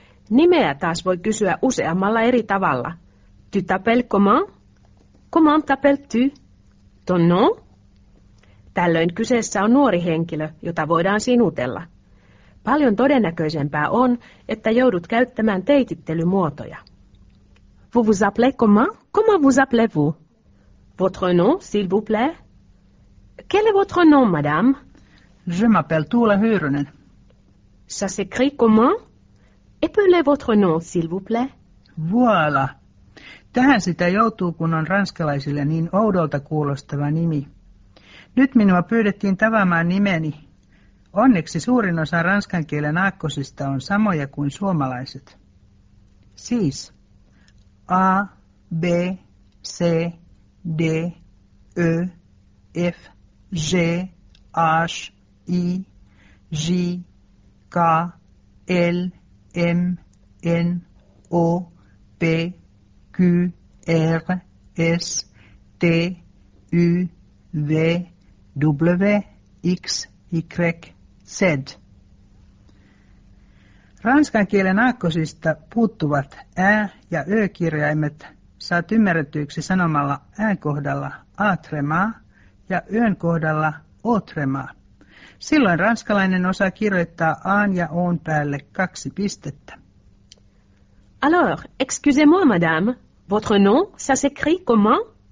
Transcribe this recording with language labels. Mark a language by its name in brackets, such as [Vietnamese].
[Finnish] Nimeä taas voi kysyä useammalla eri tavalla. Tu t'appelles comment? Comment t'appelles-tu? Ton nom? Tällöin kyseessä on nuori henkilö, jota voidaan sinutella. Paljon todennäköisempää on, että joudut käyttämään teitittelymuotoja. [French] Vous vous appelez comment? Comment vous appelez-vous? Votre nom, s'il vous plaît? Quel est votre nom, madame? Je m'appelle Tuula Hyyrynen. Ça s'écrit comment? Épelez votre nom, s'il vous plaît. Voilà. [Finnish] Tähän sitä joutuu, kun on ranskalaisille niin oudolta kuulostava nimi. Nyt minua pyydettiin tavaamaan nimeni. Onneksi suurin osa ranskan kielen aakkosista on samoja kuin suomalaiset. Siis A, B, C, D, E, F, G, H, I, J, K, L, M, N, O, P, Q, R, S, T, U, V, W, X, Y, Z. Ranskan kielen aakkosista puuttuvat ä- ja ö-kirjaimet saat ymmärretyksi sanomalla ään kohdalla a-tremaa ja yön kohdalla o-tremaa. Silloin ranskalainen osaa kirjoittaa aan ja oon päälle 2 pistettä. [French] Alors, excusez-moi, madame. Votre nom, ça s'écrit comment?